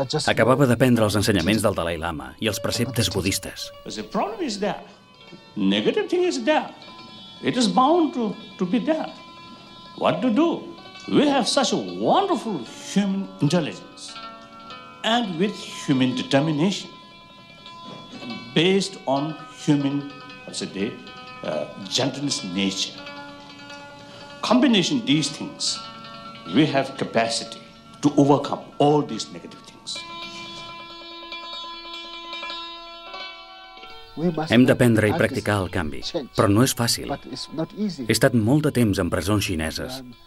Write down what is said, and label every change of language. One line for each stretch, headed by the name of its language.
Catalan: Acabava d'aprendre els ensenyaments del Dalai Lama i els preceptes budistes.
English: The problem is there. Negative thing is there. It is bound to be there. What to do? We have such a wonderful human intelligence. And with human determination. Based on human, as a day, gentleness nature. Combination these things, we have capacity to overcome all these negative things.
Catalan: Hem d'aprendre i practicar el canvi, però no és fàcil. He estat molt de temps en presons xineses.